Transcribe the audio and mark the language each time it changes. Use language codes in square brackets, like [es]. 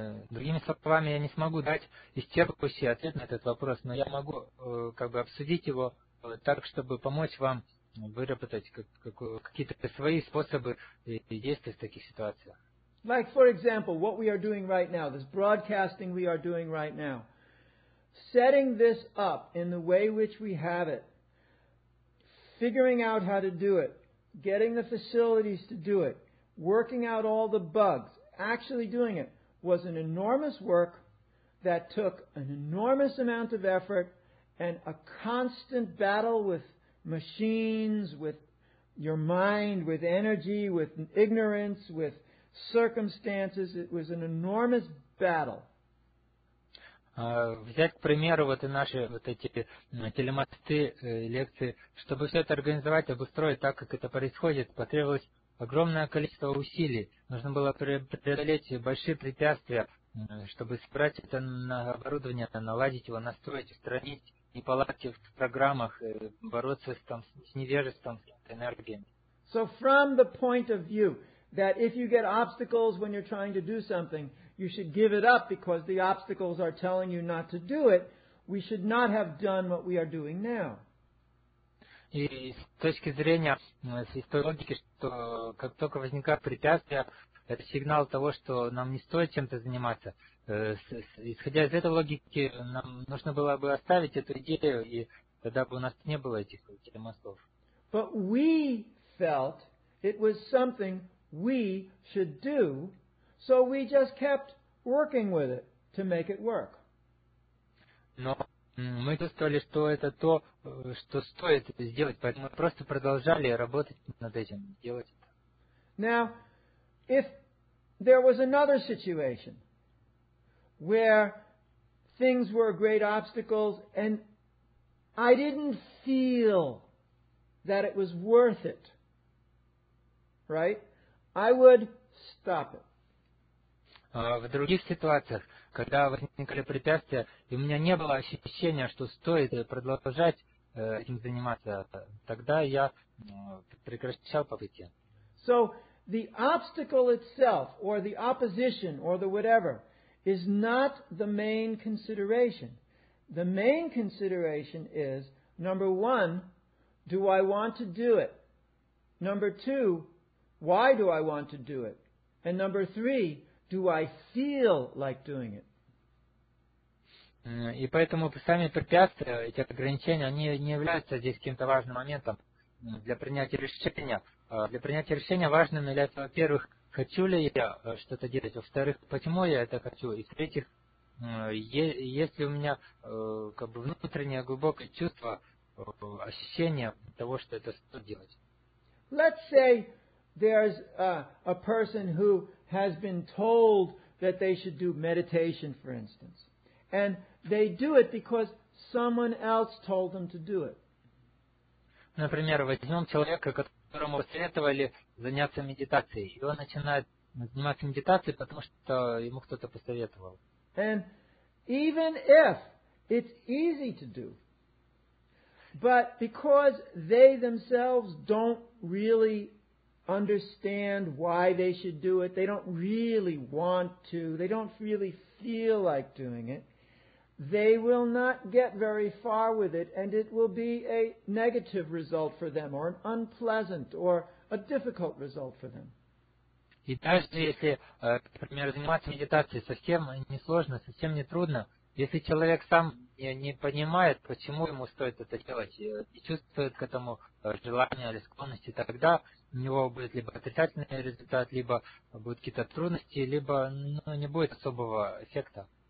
[ru] Другими словами, я не смогу дать исчерпывающий ответ на этот вопрос, но я могу как бы обсудить его так, чтобы помочь вам выработать какие-то свои способы действия в таких ситуациях. [en] Like, for example, what we are doing right now, this broadcasting we are doing right now, setting this up in the way which we have it, figuring out how to do it, getting the facilities to do it, working out all the bugs, actually doing it, was an enormous work that took an enormous amount of effort and a constant battle with machines, with your mind, with energy, with ignorance, with circumstances. It was an enormous battle. [ru] Взять, к примеру, вот и наши вот эти телемосты, лекции, чтобы все это организовать, обустроить так, как это происходит, потребовалось огромное количество усилий. Нужно было преодолеть большие препятствия, чтобы собрать это оборудование, наладить его, настроить, устранить неполадки в программах, бороться с невежеством, с энергией. [en] So from the point of view that if you get obstacles when you're trying to do something, you should give it up because the obstacles are telling you not to do it, we should not have done what we are doing now. [ru] И с точки зрения, с той логики, что как только возникают препятствия, это сигнал того, что нам не стоит чем-то заниматься. Исходя из этой логики, нам нужно было бы оставить эту идею, и тогда бы у нас не было этих телемостов. [en] But we felt it was something we should do, so we just kept working with it to make it work. [ru] Но мы чувствовали, что это то, что стоит сделать, поэтому мы просто продолжали работать над этим, делать это. [en] Now, if there was another situation where things were great obstacles and I didn't feel that it was worth it, right? I would stop it. [ru] В других ситуациях, когда возникли препятствия, и у меня не было ощущения, что стоит продолжать этим заниматься, тогда я прекращал попытки. [en] So the obstacle itself, or the opposition, or the whatever, is not the main consideration. The main consideration is, number one, do I want to do it? Number two, why do I want to do it? And number three, do I feel like doing it? [ru] И поэтому сами препятствия, эти ограничения, они не являются здесь каким-то важным моментом для принятия решения. Для принятия решения важным является, во-первых, хочу ли я что-то делать, во-вторых, почему я это хочу, и в-третьих, есть ли у меня как бы внутреннее глубокое чувство, ощущение того, что это стоит делать. [en] Let's say there's a person who has been told that they should do meditation, for instance, and they do it because someone else told them to do it. [ru] Например, возьмем человека, которому посоветовали заняться медитацией, и он начинает заниматься медитацией, потому что ему кто-то посоветовал. [en] And even if it's easy to do, but because they themselves don't really understand why they should do it, they don't really want to, they don't really feel like doing it, they will not get very far with it, and it will be a negative result for them, or an unpleasant, or a difficult result for them. [ru] И даже если, например, заниматься медитацией совсем несложно, совсем не трудно, если человек сам не понимает, почему ему стоит это делать, и чувствует к этому желание или склонность, тогда у него будет либо отрицательный результат, либо будут какие-то трудности, либо не будет особого эффекта.